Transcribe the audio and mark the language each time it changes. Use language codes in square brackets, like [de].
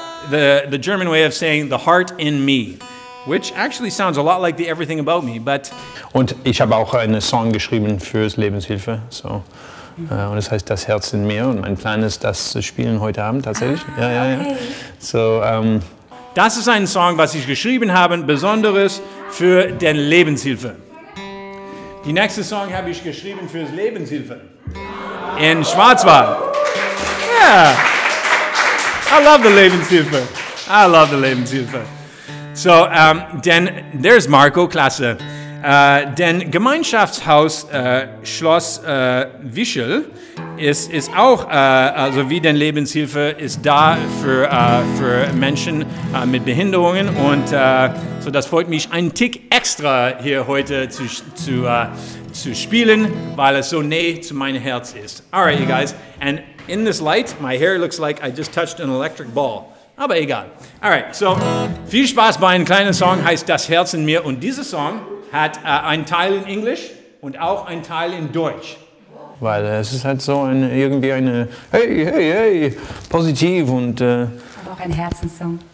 [en] the German way of saying the heart in me, which actually sounds a lot like the everything about me, but... [de] Und ich habe auch einen Song geschrieben fürs Lebenshilfe, so. Und das heißt, das Herz in mir. Und mein Plan ist, das zu spielen heute Abend tatsächlich. Ah, ja, ja, ja. Okay. So, das ist ein Song, was ich geschrieben habe, besonderes für den Lebenshilfe. Die nächste Song habe ich geschrieben fürs Lebenshilfe. [en] In Schwarzwald. Yeah. I love the Lebenshilfe. I love the Lebenshilfe. So, denn, there's Marco, [de] klasse. Denn Gemeinschaftshaus Schloss Wischel ist auch, also wie denn Lebenshilfe, ist da für Menschen mit Behinderungen. Und so, das freut mich einen Tick extra hier heute zu spielen, weil es so nah zu meinem Herz ist. [en] All right, you guys. And in this light, my hair looks like I just touched an electric ball. [de] Aber egal. [en] All right, [de] so viel Spaß bei einem kleinen Song, heißt Das Herz in mir. Und dieser Song hat einen Teil in Englisch und auch einen Teil in Deutsch. Weil es ist halt so eine, irgendwie eine, hey, hey, hey, positiv und... Aber auch ein Herzenssong.